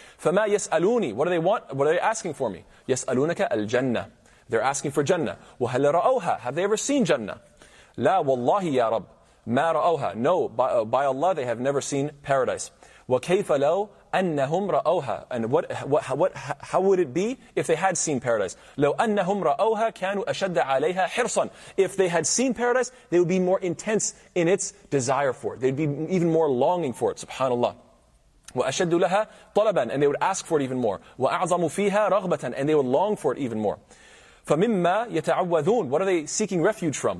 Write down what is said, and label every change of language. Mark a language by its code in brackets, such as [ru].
[ar] فَمَا يَسْأَلُونِي. [en] What do they want? What are they asking for me? [ar] يَسْأَلُونَكَ الْجَنَّةَ. [en] They're asking for Jannah. [ar] وَهَلْ رَأَوْهَا. [en] Have they ever seen Jannah? [ar] لا والله يا رب ما رأوها. [en] No, by Allah they have never seen paradise. [ar] وكيف لو أنهم رأوها. [en] And how would it be if they had seen paradise? [ar] لو أنهم رأوها كانوا أشد عليها حرصا. [en] If they had seen paradise, they would be more intense in its desire for it. They'd be even more longing for it, subhanAllah. [ar] وأشد لها طلبا. [en] And they would ask for it even more. [ar] وأعظم فيها رغبة. [en] And they would long for it even more. [ar] فَمِمَّا يَتَعَوَّذُونَ. [en] What are they seeking refuge from?